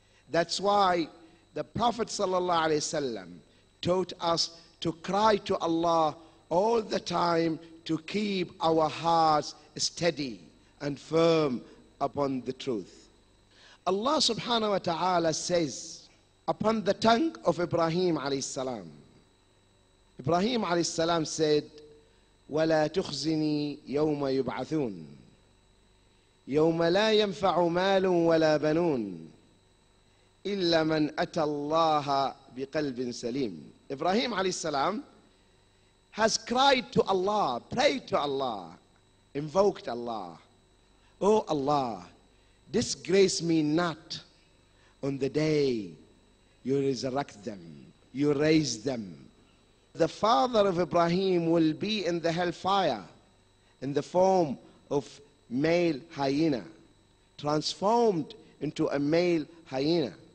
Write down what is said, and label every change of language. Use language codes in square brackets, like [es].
[en] That's why the Prophet sallallahu alaihi wasallam taught us to cry to Allah all the time to keep our hearts steady and firm upon the truth. Allah subhanahu wa ta'ala says upon the tongue of Ibrahim alayhi salam. [ar] Ibrahim alayhi salam said, "Wala tukhzini yawma yub'athun." يوم لا ينفع مال ولا بنون إلا من أتى الله بقلب سليم. [en] Ibrahim عليه السلام has cried to Allah, prayed to Allah, invoked Allah. Oh Allah, disgrace me not on the day you resurrect them. you raise them. The father of Ibrahim will be in the hellfire in the form of male hyena, transformed into a male hyena.